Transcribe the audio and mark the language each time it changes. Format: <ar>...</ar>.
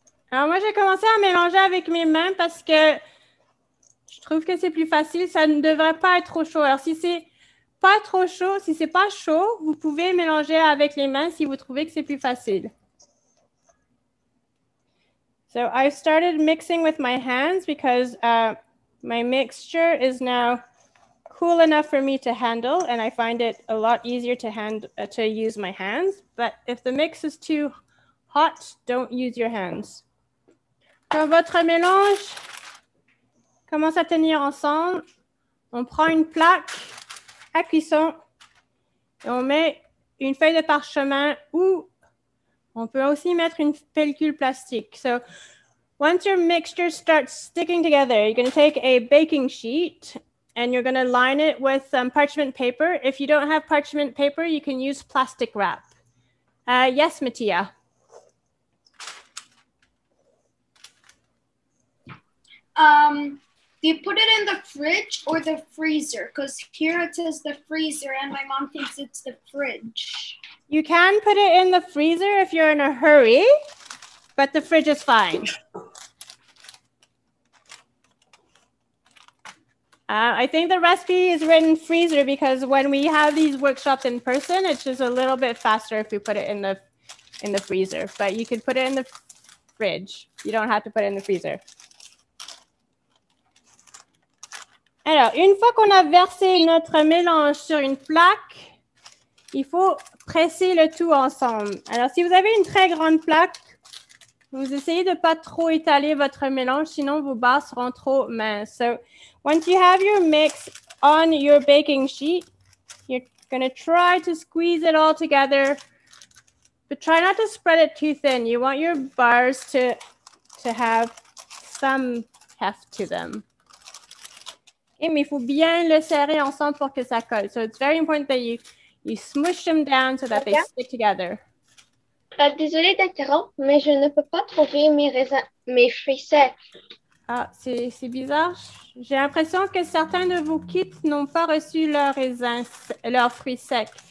<fr>Alors, moi, j'ai commencé à mélanger avec mes mains parce que je trouve que c'est plus facile. Ça ne devrait pas être trop chaud. Alors, si c'est pas chaud, vous pouvez mélanger avec les mains si vous trouvez que c'est plus facile.</fr> <en>So I started mixing with my hands because my mixture is now cool enough for me to handle, and I find it a lot easier to use my hands. But if the mix is too hot, don't use your hands.</en> <fr>Quand votre mélange commence à tenir ensemble, on prend une plaque à cuisson et on met une feuille de parchemin ou on peut aussi mettre une pellicule plastique.</fr> <en>So once your mixture starts sticking together, you're going to take a baking sheet and you're going to line it with some parchment paper. If you don't have parchment paper, you can use plastic wrap. Yes, Mattia. Do you put it in the fridge or the freezer? Because here it says the freezer and my mom thinks it's the fridge. You can put it in the freezer if you're in a hurry, but the fridge is fine. I think the recipe is written freezer because when we have these workshops in person, it's just a little bit faster if we put it in the freezer. But you can put it in the fridge. You don't have to put it in the freezer.</en> <fr>Alors, une fois qu'on a versé notre mélange sur une plaque, il faut presser le tout ensemble. Alors, si vous avez une très grande plaque, vous essayez de pas trop étaler votre mélange, sinon vos barres seront trop minces.</fr> <en>So, once you have your mix on your baking sheet, you're going to try to squeeze it all together, but try not to spread it too thin. You want your bars to have some heft to them.</en> <fr>Et mais il faut bien le serrer ensemble pour que ça colle.</fr> <en>So it's very important that you smoosh them down so that they stick together.</en> <fr>Désolée d'interrompre, mais je ne peux pas trouver mes fruits secs. Ah, c'est bizarre. J'ai l'impression que certains de vos kits n'ont pas reçu leurs raisins, leurs fruits secs.</fr>